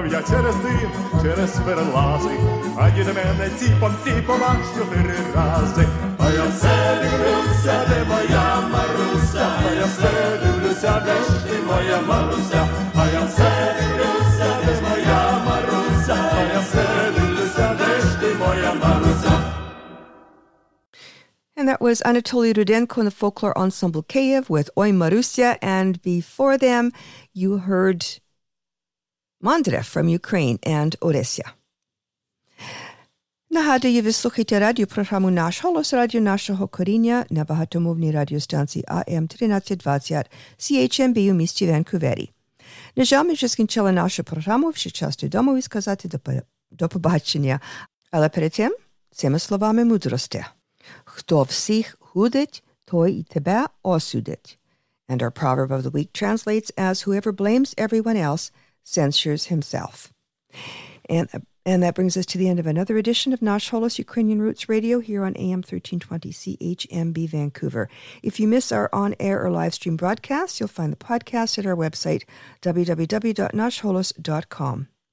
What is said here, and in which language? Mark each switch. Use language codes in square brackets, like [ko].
[uk] Через дим, через перелази, ані на мене ціпом, ціпом, аж чотири рази. А я все дивлюся, де моя Маруся, а я все дивлюся, де ж ти, моя Маруся, а я все дивлюся, де моя Маруся, а я все дивлюся, де ж ти, моя Маруся. [en] And that was Anatoly Rudenko and the Folklore Ensemble Kyiv with Oi Maruся, and before them you heard Mandra from Ukraine and Odessa. [uk] Нагадую, ви слухаєте радіопрограму «Наш Голос», радіо нашого коріння на багатомовній радіостанції АМ 1320 CHMB у місті Ванкувері. На жаль, ми вже скінчили нашу програму, вже час додому і сказати до побачення. Але перед тим, цими словами мудрості. Хто всіх гудить, той і тебе осудить. [en] And our proverb of the week translates as whoever blames everyone else censures himself. And that brings us to the end of another edition of Nash Holos Ukrainian Roots Radio here on AM 1320 CHMB Vancouver. If you miss our on-air or live stream broadcast, you'll find the podcast at our website, www.nashholos.com.